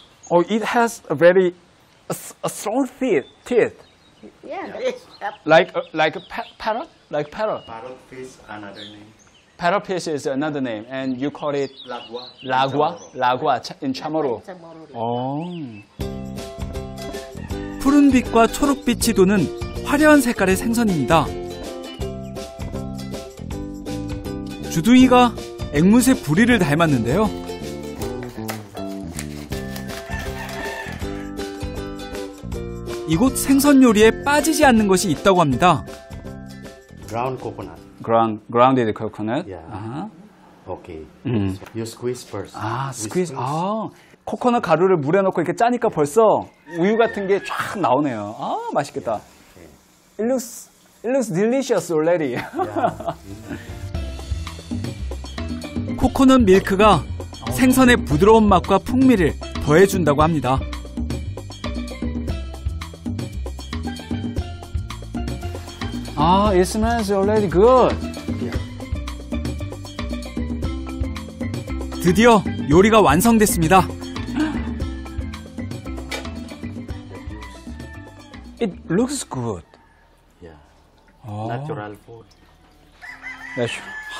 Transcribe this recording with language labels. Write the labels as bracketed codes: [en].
[en] Oh, it has a very a strong teeth. Yeah. Yeah. Like a parrot? Like parrot. Parrotfish another name. Parrotfish is another name, and you call it [ch] 라구아. 라구아. [en] 라구아 in Chamorro. 오. [ko] 푸른 빛과 초록 빛이 도는 화려한 색깔의 생선입니다. 주둥이가 앵무새 부리를 닮았는데요. 이곳 생선 요리에 빠지지 않는 것이 있다고 합니다. [en] Ground coconut. Grounded coconut. Yeah. Uh-huh. Okay. You squeeze first. 아, squeeze. [ko] 아, 코코넛 가루를 물에 넣고 이렇게 짜니까 벌써 우유 같은 게 쫙 나오네요. 아, 맛있겠다. [en] It looks delicious already. [ko] 코코넛 밀크가 생선의 부드러운 맛과 풍미를 더해준다고 합니다. [en] 아, it smells already good. [ko] 드디어 요리가 완성됐습니다. [en] It looks good. Yeah. Oh. Natural food. Natural.